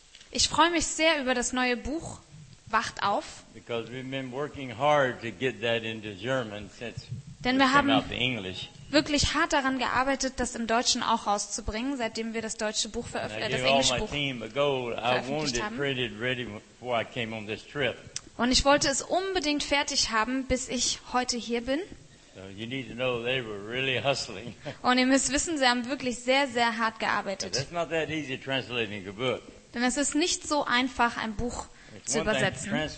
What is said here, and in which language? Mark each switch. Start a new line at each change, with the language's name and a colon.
German: Ich freue mich sehr über das neue Buch. Wacht auf.
English: Because we've been working hard to get that into German since
German: Denn wir haben wirklich hart daran gearbeitet, das im Deutschen auch rauszubringen, seitdem wir das deutsche Buch veröffentlicht haben. Und ich wollte es unbedingt fertig haben, bis ich heute hier bin.
English: So you need to know they were really hustling.
German: Und ihr müsst wissen, sie haben wirklich sehr, sehr hart gearbeitet.
English: It's not that easy translating a book.
German: Denn es ist nicht so einfach, ein Buch zu zu übersetzen.